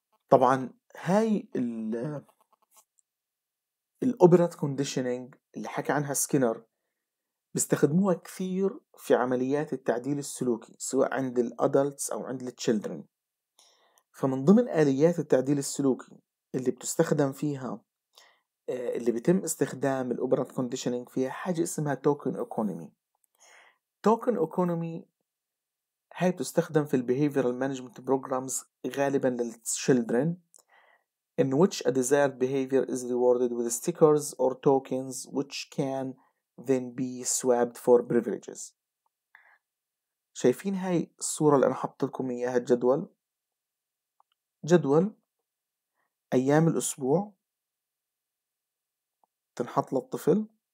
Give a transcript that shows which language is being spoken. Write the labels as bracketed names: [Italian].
[Arabic] طبعا هاي الأوبرات كونديشنينج اللي حكى عنها سكينر بيستخدموها كثير في عمليات التعديل السلوكي سواء عند الأدلتس أو عند التشيلدرن. فمن ضمن آليات التعديل السلوكي اللي بتستخدم فيها اللي بيتم استخدام الأوبرات كونديشنينج فيها حاجة اسمها توكن أوكونومي. توكن أوكونومي هاي بتستخدم في البيهيفيرال مانجمنت بروجرامز غالبا للتشيلدرن، [English] in which a desired behavior is rewarded with stickers or tokens which can then be swapped for privileges. [Arabic] شايفين هاي الصورة اللي انا حطت لكم اياها، الجدول، جدول ايام الاسبوع تنحط للطفل،